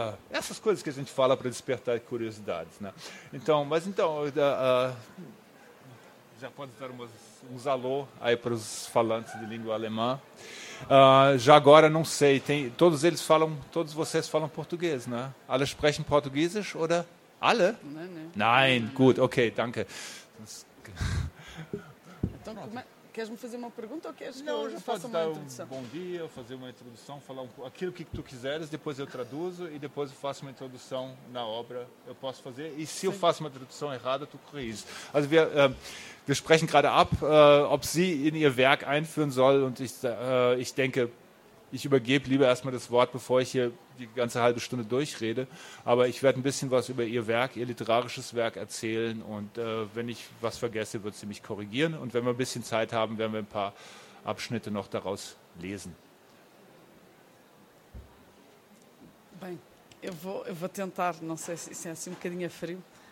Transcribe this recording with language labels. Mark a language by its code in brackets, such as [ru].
[pt] essas coisas que a gente fala para despertar curiosidades, né? Então, mas então já pode dar uns alô aí para os falantes de língua alemã. Já agora não sei, todos vocês falam português, né? [de] Alle sprechen Portugiesisch oder alle? Nein. Gut, okay, danke. [pt] Então, queres-me fazer uma pergunta ou queres que eu faça uma introdução? Bom dia, fazer uma introdução, falar aquilo que tu quiseres, depois eu traduzo e depois eu faço uma introdução na obra. Eu posso fazer. E se eu faço uma tradução errada, tu corriges. [de] Also wir sprechen gerade ab, ob sie in ihr Werk einführen soll. Und ich denke, ich übergebe lieber erstmal das Wort, bevor ich hier die ganze halbe Stunde durchrede. Aber ich werde ein bisschen was über ihr Werk, ihr literarisches Werk erzählen. Und wenn ich was vergesse, wird sie mich korrigieren. Und wenn wir ein bisschen Zeit haben, werden wir ein paar Abschnitte noch daraus lesen. [pt] Bem, eu vou tentar, não sei se é assim um bocadinho frio.